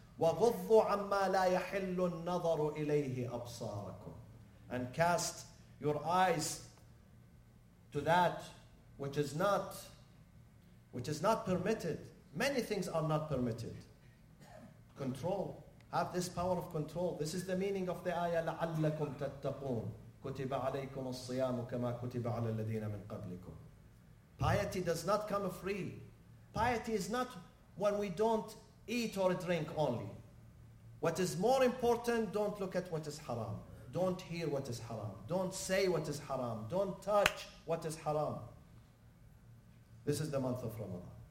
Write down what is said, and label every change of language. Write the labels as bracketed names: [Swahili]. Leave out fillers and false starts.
[Arabic] وَغُضُّوا عَمَّا لَا يَحِلُّ النَّظَرُ إِلَيْهِ أَبْصَارَكُمْ. [English] And cast your eyes to that which is not permitted. Many things are not permitted. Control. Have this power of control. This is the meaning of the ayah, [Arabic] لَعَلَّكُمْ تَتَّقُونَ كُتِبَ عَلَيْكُمُ الصِّيَامُ كَمَا كُتِبَ عَلَى الَّذِينَ مِنْ قَبْلِكُمْ. [English] Piety does not come free. Piety is not when we don't eat or drink only. What is more important, don't look at what is haram. Don't hear what is haram. Don't say what is haram. Don't touch what is haram. This is the month of Ramadan.